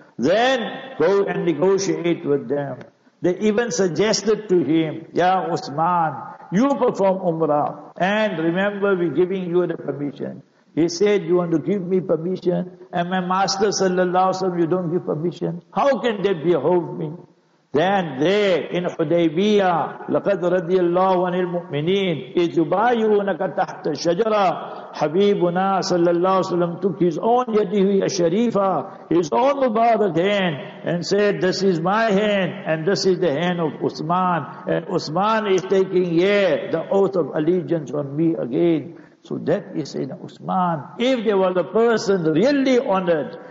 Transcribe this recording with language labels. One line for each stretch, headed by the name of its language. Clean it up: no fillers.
English: Then go and negotiate with them. They even suggested to him, Ya Usman, you perform Umrah and remember we're giving you the permission. He said, you want to give me permission? And my master sallallahu alayhi wa sallam, you don't give permission? How can that behove me? Then there in Hudaybiyah,
Arabic: لَقَدْ رَضِيَ اللَّهُ عَنِ الْمُؤْمِنِينَ إِذْ يُبَايُونَكَ تَحْتَ الشَّجَرَةِ.
English: Habibuna sallallahu alayhi wa sallam took his own yadihi al-sharifa, his own mubarak hand, and said, this is my hand, and this is the hand of Usman. And Usman is taking, yeah, the oath of allegiance on me again. So that is in Usman. If there was a person really honored,